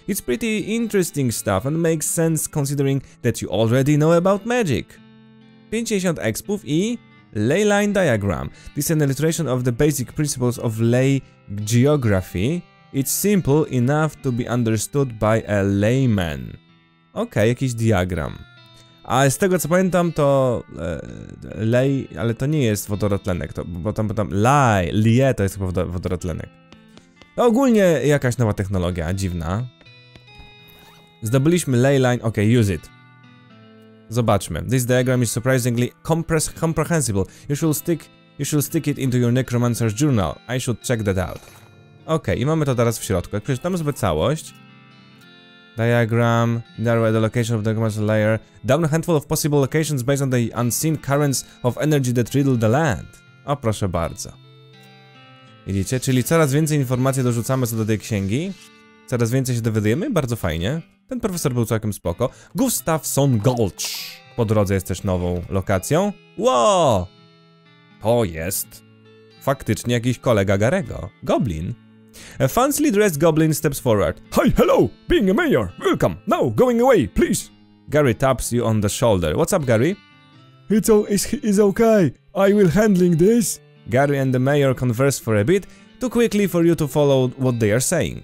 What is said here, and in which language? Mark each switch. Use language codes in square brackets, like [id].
[en] It's pretty interesting stuff and makes sense considering that you already know about magic. 50 expów i ley line diagram. This is an illustration of the basic principles of ley geography. It's simple enough to be understood by a layman. [pl] Okej, jakiś diagram. A z tego co pamiętam, to lej, ale to nie jest wodorotlenek, to, bo tam potem lie to jest chyba wodorotlenek. To ogólnie jakaś nowa technologia, dziwna. Zdobyliśmy ley line, okej, okay, [en] use it. [pl] Zobaczmy. [en] This diagram is surprisingly comprehensible. You should stick it into your necromancer's journal. I should check that out. [pl] Okej, okay, i mamy to teraz w środku. Jak przeczytamy sobie całość. [en] Diagram, narrow the location of the commercial layer, down a handful of possible locations based on the unseen currents of energy that riddle the land. [pl] O, proszę bardzo. Widzicie? Czyli coraz więcej informacji dorzucamy co do tej księgi. Coraz więcej się dowiadujemy. Bardzo fajnie. Ten profesor był całkiem spoko. Gustafsson Gulch. Po drodze jest też nową lokacją. Wow! To jest faktycznie jakiś kolega Garego. Goblin. [en] A fancily dressed goblin steps forward. Hi, hello! Being a mayor! Welcome! Now, going away, please! Gary taps you on the shoulder. What's up, Gary? It's okay. I will handling this. Gary and the mayor converse for a bit, too quickly for you to follow what they are saying.